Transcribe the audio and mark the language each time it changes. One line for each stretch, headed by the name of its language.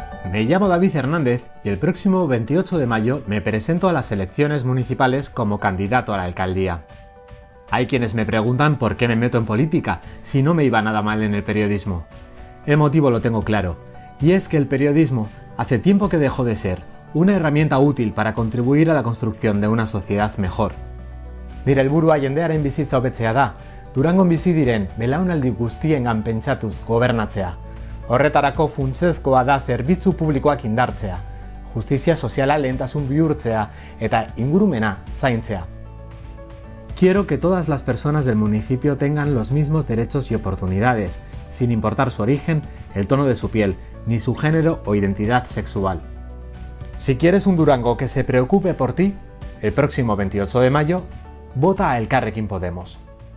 Spanish: Me llamo David Hernández y el próximo 28 de mayo me presento a las elecciones municipales como candidato a la alcaldía. Hay quienes me preguntan por qué me meto en política si no me iba nada mal en el periodismo. El motivo lo tengo claro, y es que el periodismo hace tiempo que dejó de ser una herramienta útil para contribuir a la construcción de una sociedad mejor.
Basque: Nire helburua jendearen bizitza hobetzea da, Durangon bizi diren belaunaldi guztiengan pentsatuz gobernatzea. Horretarako funtsezkoa da zerbitzu publikoak indartzea, justizia soziala lehentasun bihurtzea eta ingurumena zaintzea.
Spanish: Quiero que todas las personas del municipio tengan los mismos derechos y oportunidades, sin importar su origen, el tono de su piel, ni su género o identidad sexual. Si quieres un Durango que se preocupe por ti, el próximo 28 de mayo, vota a Elkarrekin Podemos.